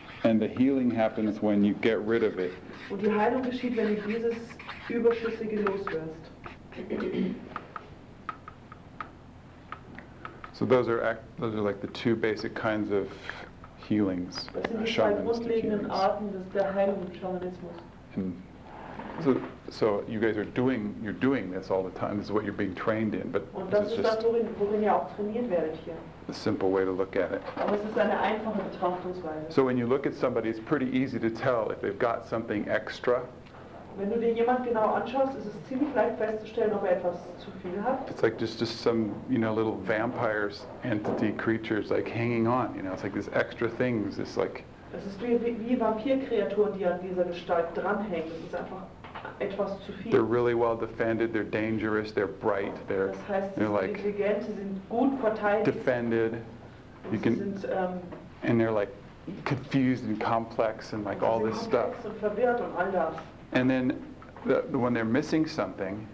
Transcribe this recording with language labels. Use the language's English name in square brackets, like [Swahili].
[English] And the healing happens when you get rid of it. [German] Und die Heilung geschieht, wenn du dieses Überschüssige loswirst. [English] So those are like the two basic kinds of healings. [German] Das sind die zwei grundlegenden Arten der Heilung im Schamanismus. [English] So you guys are doing, you're doing this all the time. This is what you're being trained in. But [German] und das ist [English] just [German] das, worin ihr auch trainiert werdet hier. [English] A simple way to look at it. [German] Aber es ist eine einfache Betrachtungsweise. [English] So when you look at somebody, it's pretty easy to tell if they've got something extra. [German] Wenn du dir jemand genau anschaust, ist es ziemlich leicht festzustellen, ob er etwas zu viel hat. [English] It's like just some, you know, little vampires, entity creatures like hanging on. You know, it's like these extra things. It's like. [German] Es ist wie Vampirkreaturen, die an dieser Gestalt dranhängen. Es ist einfach etwas zu viel. [English] They're really well defended, they're dangerous, they're bright, they're, [German] das heißt, [English] they're like [German] intelligent, sind gut verteidigt. [English] Defended. You can, [German] sind, [English] and they're like confused and complex and like all this stuff. [German] Und verwirrt und all das. [English] And then when they're missing something,